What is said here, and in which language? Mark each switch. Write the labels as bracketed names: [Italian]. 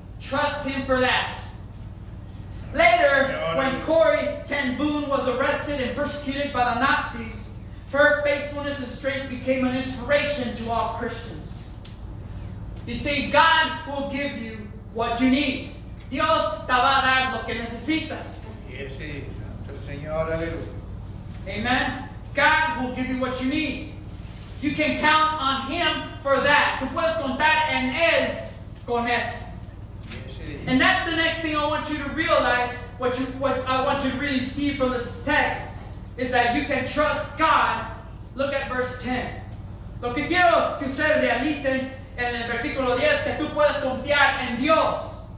[English] Trust him for that." Later, when Corey Ten Boom was arrested and persecuted by the Nazis, her faithfulness and strength became an inspiration to all Christians. You see, God will give you what you need. [Spanish] Dios te va a dar lo que necesitas. Yes, Santo Señor, aleluya. [English] Amen. God will give you what you need. You can count on him for that. [Spanish] Tú puedes contar en él con eso. [English] And that's the next thing I want you to realize, what I want you to really see from this text, is that you can trust God. Look at verse 10. [Spanish] Lo que quiero que ustedes realicen en el versículo 10 es que tú puedes confiar en Dios.